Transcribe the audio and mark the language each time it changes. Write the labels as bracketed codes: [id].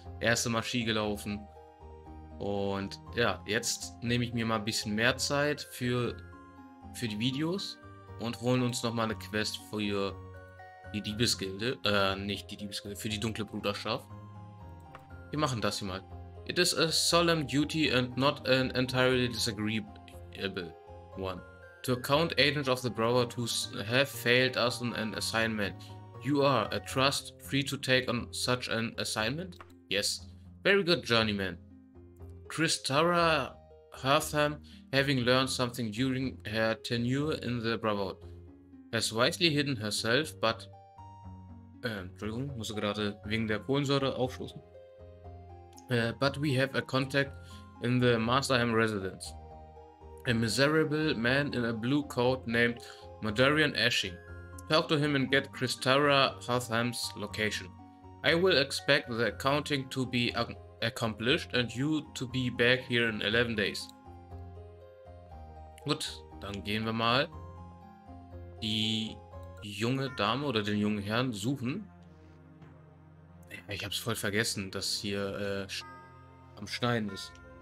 [de] Erste Mal Ski gelaufen und ja, jetzt nehme ich mir mal ein bisschen mehr Zeit für die Videos und holen uns nochmal eine Quest für die Diebesgilde, nicht die Diebesgilde, für die dunkle Bruderschaft. Wir machen das hier mal. [en] It is a solemn duty and not an entirely disagreeable one. To account agents of the Brotherhood who have failed us on an assignment. You are a trust free to take on such an assignment? Yes. Very good, journeyman. Tristara Hertham, having learned something during her tenure in the Brotherhood, has wisely hidden herself, but... [de] Entschuldigung, musste gerade wegen der Kohlensäure aufstoßen. [en] But we have a contact in the Masterham residence. A miserable man in a blue coat named Madarian Ashing. Talk to him and get Christara Hotham's location. I will expect the accounting to be accomplished and you to be back here in 11 days. [de] Gut, dann gehen wir mal die junge Dame oder den jungen Herrn suchen. Ich hab's voll vergessen, dass hier am Schneiden ist.